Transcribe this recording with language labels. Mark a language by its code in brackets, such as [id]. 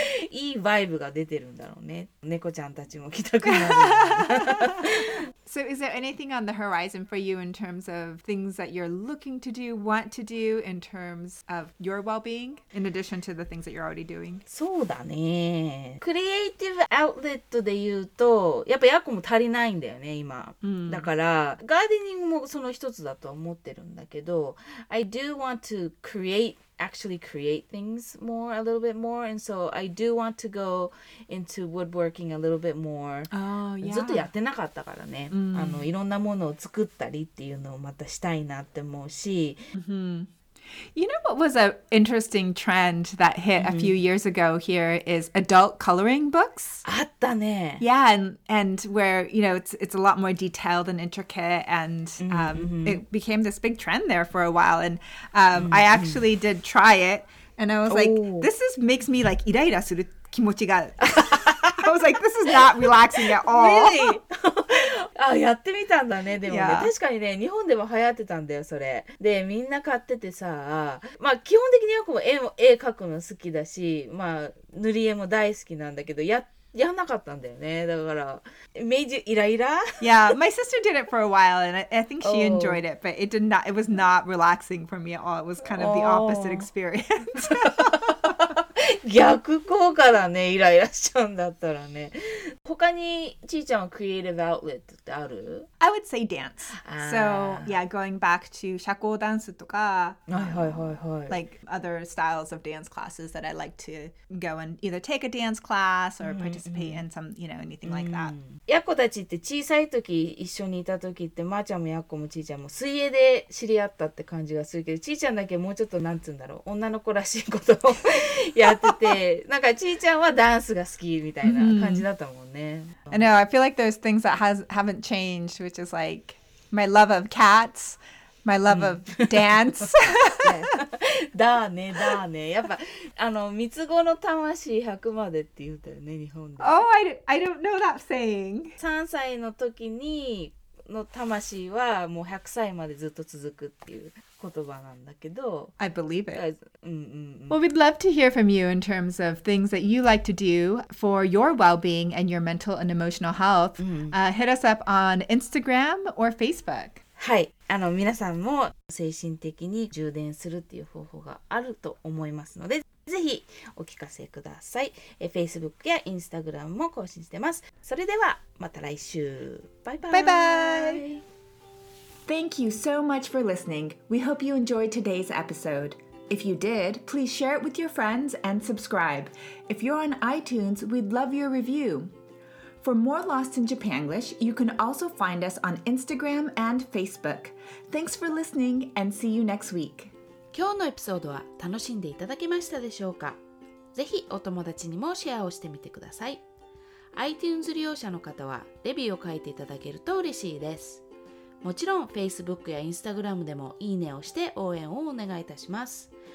[ja] いいバイブが出てるんだろうね。猫ちゃんたちも来たくなる。 [en] So is there anything on the horizon for you in terms of things that you're looking to do, want to do in terms of your well-being in addition to the things that you're already doing? [ja] そうだね。クリエイティブアウトレットで言うと、やっぱヤコも足りないんだよね、今。だから、ガーデニングもその一つだと思ってるんだけど、 [en] I do want to create things more, a little bit more. And so I do want to go into woodworking a little bit more. Oh, yeah. [ja] ずっとやってなかったからね。あの、いろんなものを作ったりっていうのをまたしたいなって思うし。 [en] You know what was an interesting trend that hit a few years ago here is adult coloring books. [ja] あったね。 [en] Yeah, and where, you know, it's a lot more detailed and intricate, and it became this big trend there for a while. And I actually did try it, and I was like, this is, makes me like, [ja] イライラする気持ちが。 [en] I was like, this is not relaxing at all. Really? [ja] あ、やってみたんだね。でもね、yeah. 確かにね、日本でも流行ってたんだよ、それ。で、みんな買っててさ、まあ基本的によくも絵描くの好きだし、まあ塗り絵も大好きなんだけど、やんなかったんだよね。だから、 [en] made you [ja] イライラ? [en] Yeah, my sister did it for a while, and I think she enjoyed it, but it was not relaxing for me at all. It was kind of the opposite experience. [ja] 逆効果だね、イライラしちゃうんだったらね。他にちーちゃんはクリエイティブアウトレットってある？ [en] I would say dance. So, yeah, going back to [ja] 社交ダンスとか、はいはいはいはい、 [en] like other styles of dance classes that I like to go and either take a dance class or participate in some, you know, anything like that. [ja] やっこたちって小さい時一緒にいた時って、まーちゃんもやっこもちーちゃんも水泳で知り合ったって感じがするけど、ちーちゃんだけもうちょっとなんつうんだろう、女の子らしいことをやっててなんかちーちゃんはダンスが好きみたいな感じだったもんね。 [en] I know, I feel like there's things that haven't changed, which is like my love of cats, my love of dance. [ja] だね、だね。やっぱ、あの、三つ子の魂100までって言うたよね、日本で。 [en] Oh, I don't know that saying. [ja] 3歳の時にの魂はもう100歳までずっと続くっていう。 [en] I believe it. Well, we'd love to hear from you in terms of things that you like to do for your well-being and your mental and emotional health. Hit us up on Instagram or Facebook. [ja] はい、あの、皆さんも精神的に充電するっていう方法があると思いますので、ぜひお聞かせください。 Facebook や Instagram も更新してます。それではまた来週。バイバイ。バイバイ。 [en] Thank you so much for listening. We hope you enjoyed today's episode. If you did, please share it with your friends and subscribe. If you're on iTunes, we'd love your review. For more Lost in Japanglish, you can also find us on Instagram and Facebook. Thanks for listening and see you next week. [ja] 今日のエピソードは楽しんでいただけましたでしょうか？ぜひお友達にもシェアをしてみてください。 iTunes 利用者の方はレビューを書いていただけると嬉しいです。もちろん Facebook や Instagram でもいいねをして応援をお願いいたします。